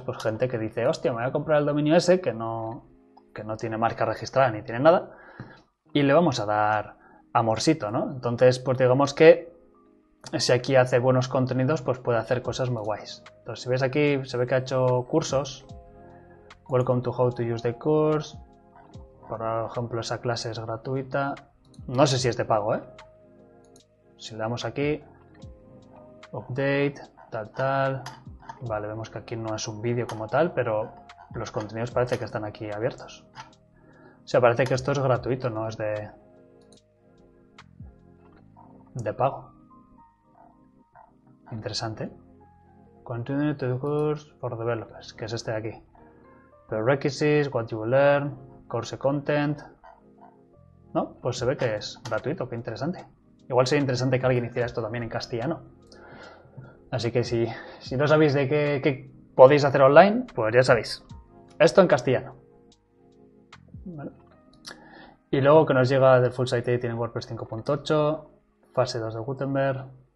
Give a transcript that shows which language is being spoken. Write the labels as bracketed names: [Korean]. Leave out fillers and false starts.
[Spanish] Pues gente que dice, hostia, me voy a comprar el dominio ese que no tiene marca registrada ni tiene nada. Y le vamos a dar amorcito, ¿no? Entonces, pues digamos que si aquí hace buenos contenidos, pues puede hacer cosas muy guays. Entonces, si ves aquí, se ve que ha hecho cursos. [English] Welcome to how to use the course. [Spanish] Por ejemplo, esa clase es gratuita. No sé si es de pago, ¿eh? Si le damos aquí, update, tal, tal. Vale, vemos que aquí no es un vídeo como tal, pero los contenidos parece que están aquí abiertos. O sea, parece que esto es gratuito, no es de pago. Interesante. [English] Continue to the course for developers, [Spanish] que es este de aquí. [English] Prerequisites, what you will learn, course content. [Spanish] No, pues se ve que es gratuito, qué interesante. Igual sería interesante que alguien hiciera esto también en castellano. Así que si no sabéis de qué podéis hacer online, pues ya sabéis. Esto en castellano. Vale. Y luego que nos llega del full site editing en WordPress 5.8, fase 2 de Gutenberg.